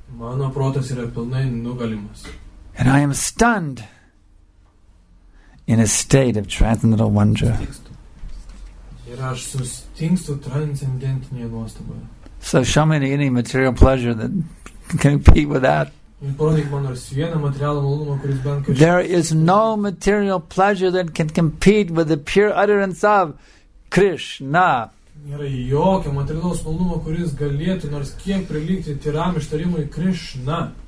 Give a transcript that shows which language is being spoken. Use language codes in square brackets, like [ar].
[lt] Mano protas yra pilnai nugalimas. [en] And I am stunned in a state of transcendental wonder. [lt] Ir aš sustingstu transcendentinėje nuostaboje. [en] So show me any material pleasure that can compete with that. There is no material pleasure that can compete with the pure utterance of Krishna. [lt] Nėra jokio materialaus malonumo, kuris galėtų nors kiek prilygti tyram ištarimui Krishna.